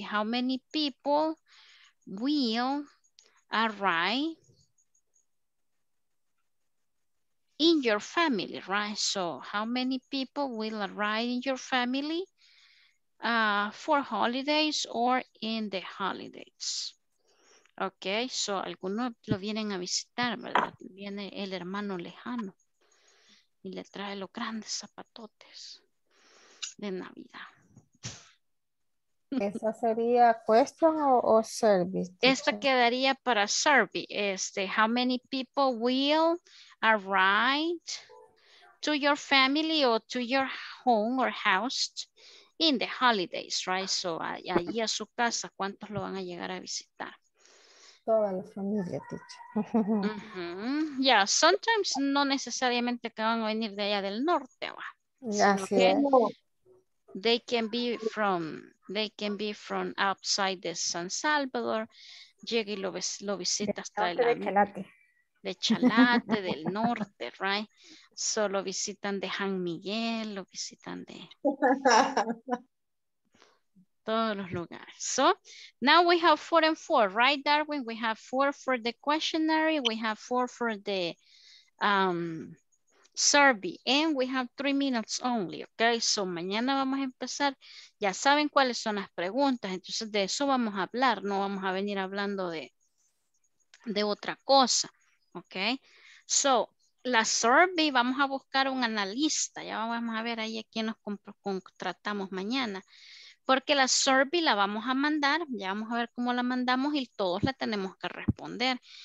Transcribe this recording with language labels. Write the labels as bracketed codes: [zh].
[en] How many people will arrive in your family, right? So how many people will arrive in your family for holidays or in the holidays? [es] Okay, so algunos lo vienen a visitar, ¿verdad? Viene el hermano lejano y le trae los grandes zapatotes de Navidad. ¿Esa sería question o service? Esta quedaría para survey. [en] How many people will arrive to your family or to your home or house in the holidays, right? [es] So allí a su casa, ¿cuántos lo van a llegar a visitar? Toda la familia, teacher. Uh-huh. [en] Yeah, sometimes [es] no necesariamente que van a venir de allá del norte, ¿va? Así es. [en] They can be from outside the San Salvador. [es] Llega y lo visita hasta el Chalate. De Chalate, del norte, right? Solo visitan de San Miguel, lo visitan de todos los lugares. [en] So now we have 4 and 4, right, Darwin? We have 4 for the questionnaire, we have 4 for the survey, and we have 3 minutes only, okay? [es] So mañana vamos a empezar. Ya saben cuáles son las preguntas, entonces de eso vamos a hablar, no vamos a venir hablando de otra cosa, okay? So la survey, vamos a buscar un analista, ya vamos a ver ahí a quién nos contratamos mañana, porque la survey la vamos a mandar, ya vamos a ver cómo la mandamos y todos la tenemos que responder.